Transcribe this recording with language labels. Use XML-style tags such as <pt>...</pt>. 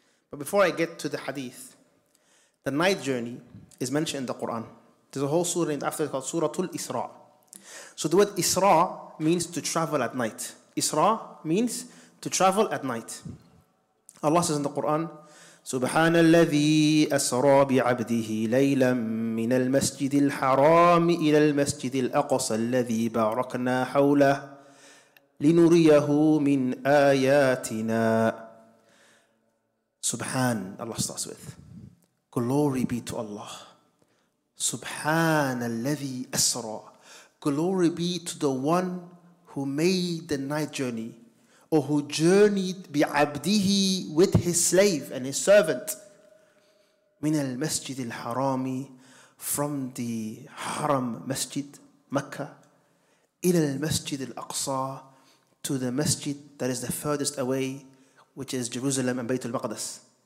<en>But before I get to the hadith, the night journey is mentioned in the Quran. There's a whole surah named after it called Suratul Isra'. So the word Isra means to travel at night. Isra means to travel at night. Allah says in the Quran,</en> <ar>سبحان الذي أسرى بعبده ليلا من المسجد الحرام إلى المسجد الأقصى الذي باركنا حوله لنريه من آياتنا.</ar> <en>سبحان, Allah starts with, glory be to Allah.</en> <ar>سبحان الذي أسرى,</ar> <en>glory be to the one who made the night journey, or who journeyed bi'abdihi with his slave and his servant, min al-masjid al-harami, from the haram masjid, Mecca, ila al-masjid al-aqsa, to the masjid that is the furthest away, which is Jerusalem and Bayt al-Maqdis.</en>